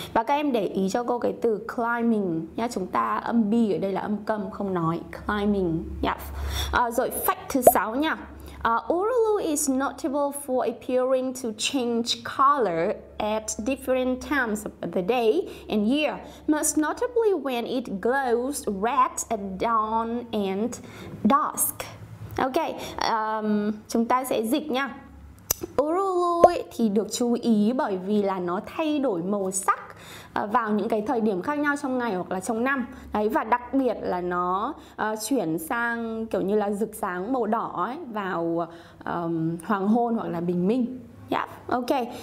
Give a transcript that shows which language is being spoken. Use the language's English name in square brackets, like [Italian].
[Vietnamese] Và các em để ý cho cô cái từ climbing nhá, chúng ta âm b ở đây là âm câm không nói climbing nhá. Rồi fact thứ 6 nha. [English] Uluru is notable for appearing to change color at different times of the day and year, most notably when it glows red at dawn and dusk. [Vietnamese] Ok, chúng ta sẽ dịch nha. Uluru thì được chú ý bởi vì là nó thay đổi màu sắc vào những cái thời điểm khác nhau trong ngày hoặc là trong năm. Đấy, và đặc biệt là nó chuyển sang kiểu như là rực sáng màu đỏ ấy, vào hoàng hôn hoặc là bình minh. Yeah. Okay.